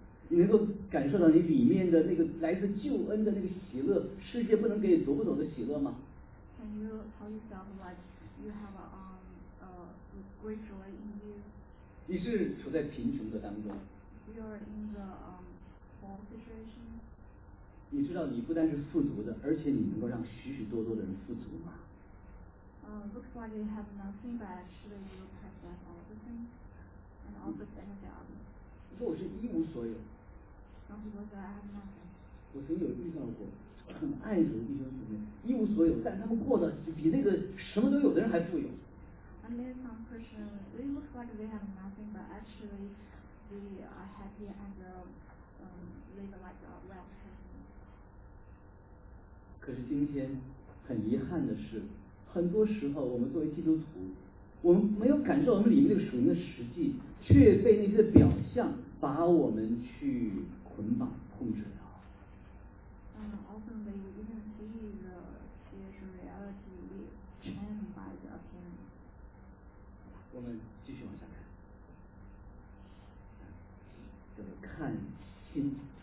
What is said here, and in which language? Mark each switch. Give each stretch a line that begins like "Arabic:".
Chinese: 你能够感受到你里面的那个来自救恩的那个喜乐，世界不能给你夺不走的喜乐吗？
English: Can you tell yourself like you have a great joy in you.
Chinese: 你是处在贫穷的当中。
English: You are in the poor situation.
Chinese: 你知道你不单是富足的，而且你能够让许许多多的人富足吗？
English: Looks like you have nothing, but actually you have all the things and all the benefits.
Chinese: 你说我是一无所有。
English: Some people say I have nothing.
Chinese: 我曾经有遇到过很爱主的弟兄姊妹，一无所有，但他们过得比那个什么都有的人还富有。
English: I met some Christian, they look like they have nothing, but actually they are happy and live like a well person.
Chinese: 可是今天很遗憾的是，很多时候我们作为基督徒，我们没有感受我们里面那个属灵的实际，却被那些表象把我们去捆绑控制了。
English: Often they even see the spiritual reality chained by the appearance.
Chinese: 我们继续往下看，就是看心。